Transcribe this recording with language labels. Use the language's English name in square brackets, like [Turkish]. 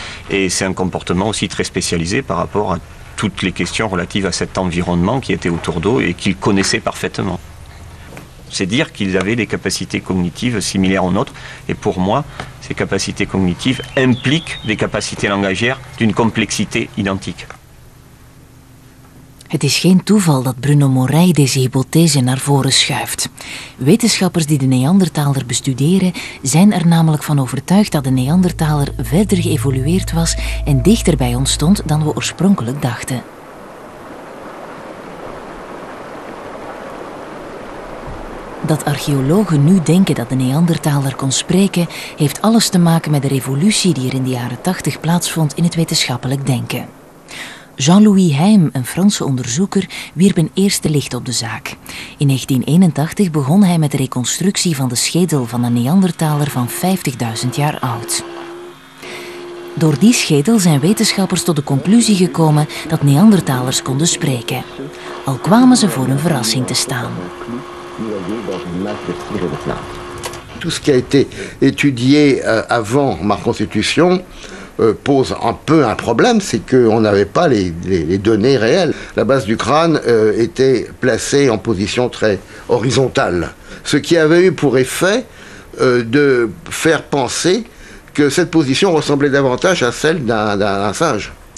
[French] Et c'est un comportement aussi très spécialisé par rapport à toutes les questions relatives à cet environnement qui était autour d'eux et qu'ils connaissaient parfaitement. C'est dire qu'ils avaient des capacités cognitives similaires aux nôtres. Et pour moi, ces capacités cognitives impliquent des capacités langagières d'une complexité identique. [Dutch] Het is geen toeval dat Bruno Morey deze hypothese naar voren schuift. Wetenschappers die de Neandertaler bestuderen, zijn er namelijk van overtuigd dat de Neandertaler verder geëvolueerd was en dichter bij ons stond dan we oorspronkelijk dachten. Dat archeologen nu denken dat de Neandertaler kon spreken, heeft alles te maken met de revolutie die er in de jaren 80 plaatsvond in het wetenschappelijk denken. Jean-Louis Heim, een Franse onderzoeker, wierp een eerste licht op de zaak. In 1981 begon hij met de reconstructie van de schedel van een Neandertaler van 50.000 jaar oud. Door die schedel zijn wetenschappers tot de conclusie gekomen dat Neandertalers konden spreken. Al kwamen ze voor een verrassing te staan. [French] Tout ce qui a été étudié avant ma reconstitution pose un peu un problème, c'est qu'on n'avait pas les données réelles. La base du crâne était placée en position très horizontale, ce qui avait eu pour effet de faire penser que cette position ressemblait davantage à celle d'un singe.